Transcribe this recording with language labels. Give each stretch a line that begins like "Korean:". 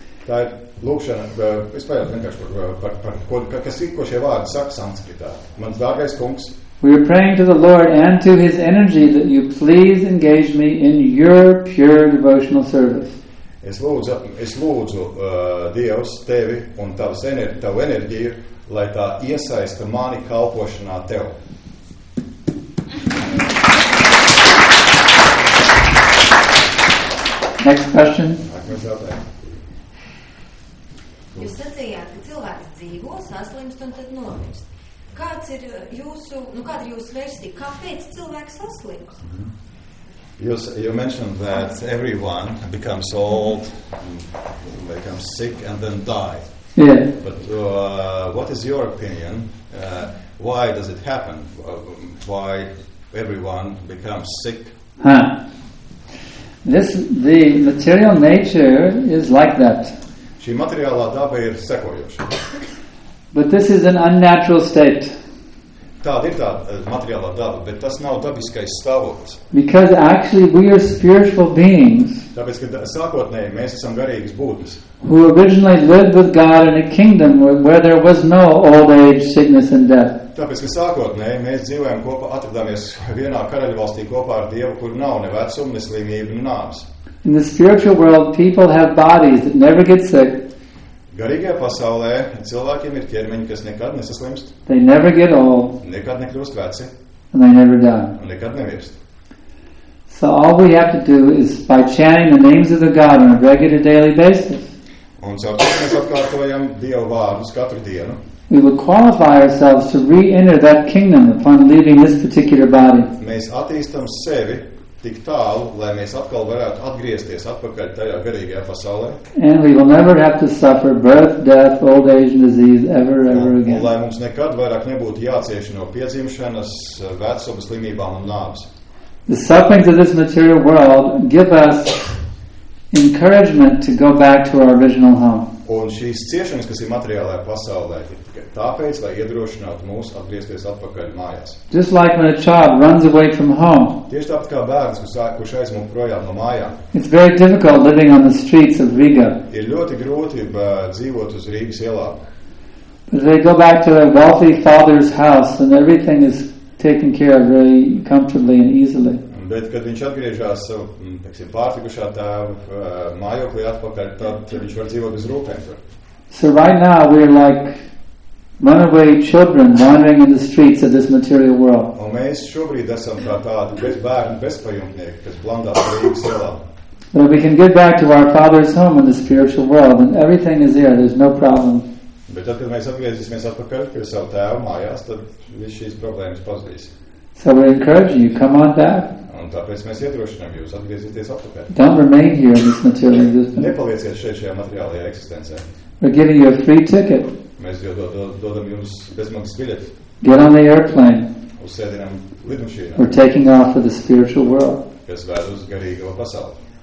English: We are praying to the Lord and to His energy that you please engage me in your pure devotional service.
Latvian: Es lūdzu Dievs tevi un tavu enerģiju, lai tā iesaista mani kalpošanā tev.
English: Next question.
Latvian: Nākamais jautājums. Jūs sacījāt, ka cilvēks dzīvo, saslimst un tad nomirst. Kāds ir jūsu, kāda ir jūsu versija? Kāpēc cilvēks saslimst? Mm-hmm.
English: You mentioned that everyone becomes old, becomes sick, and then die. Yeah. But what is your opinion? Why does it happen? Why everyone becomes sick? The material nature is like that.
Latvian: Šī materiālā daba ir sekojoša.
English: But this is an unnatural state.
Latvian: Tāda ir tā materiālā daba, bet tas nav dabiskais stāvoklis.
English: Because actually we are spiritual beings.
Latvian: Tāpēc, ka sākotnēji mēs esam garīgas būtnes.
English: Who originally lived with God in a kingdom where there was no old age, sickness and death.
Latvian: Tāpēc, ka sākotnēji mēs dzīvojam kopā, atradāmies vienā karaļvalstī kopā ar Dievu, kur nav ne vecuma, ne slimība, ne nāves.
English: In the spiritual world people have bodies that never get sick.
Latvian: Garīgajā pasaulē cilvēkiem ir ķermeņi, kas nekad nesaslimst.
English: They never get old.
Latvian: Nekad nekļūst veci.
English: And they never die.
Latvian: Un nekad nemirst.
English: So all we have to do is by chanting the names of the God on a regular daily basis.
Latvian: Un caur to mēs atkārtojam Dieva vārdus katru dienu.
English: We will qualify ourselves to re-enter that kingdom upon leaving this particular body.
Latvian: Mēs attīstam sevi tik tālu, lai mēs atkal varētu atgriezties atpakaļ tajā garīgajā pasaulē.
English: And we will never have to suffer birth, death, old age and disease ever again.
Latvian: Lai mums nekad vairāk nebūtu jācieš no piedzimšanas, vecuma, slimībām un nāves.
English: The sufferings of this material world give us encouragement to go back to our original home.
Latvian: Un šīs ciešanas, kas ir materiālajā pasaulē, ir tikai tāpēc, lai iedrošinātu mūs atgriezties atpakaļ mājās.
English: Just like when a child runs away from home.
Latvian: Tieši tāpat kā bērns, kurš aizmūk projām no mājām.
English: It's very difficult living on the streets of Riga.
Latvian: Ir ļoti grūti dzīvot uz Rīgas ielām.
English: But they go back to their wealthy father's house and everything is taken care of very comfortably and easily.
Latvian: Bet, kad viņš atgriežās savu, teiksim, pārtikušā tēvu mājoklī atpakaļ, tad viņš var dzīvot bez rūpēm.
English: So right now we are like runaway children wandering in the streets of this material world.
Latvian: Un mēs šobrīd esam kā tādi bērni bezpajumtnieki, kas blandās Rīgas ielā.
English: But we can get back to our father's home in the spiritual world and everything is there, there's no problem.
Latvian: Bet tad, kad mēs atgriezīsimies atpakaļ pie savu tēvu mājās, tad viss šīs problēmas pazudīs.
English: So we encourage you, come on back.
Latvian: Un tāpēc mēs iedrošinām jūs atgriezīties atpakaļ.
English: Don't remain here in this material existence.
Latvian: Nepalieciet šeit šajā materiālajā eksistencē.
English: We're giving you a free ticket.
Latvian: Mēs dodam jums bezmaksas biļeti.
English: Get on the airplane.
Latvian: Uzsēdinām lidmašīnā.
English: We're taking off for the spiritual world.
Latvian: Kas ved uz garīgo pasauli.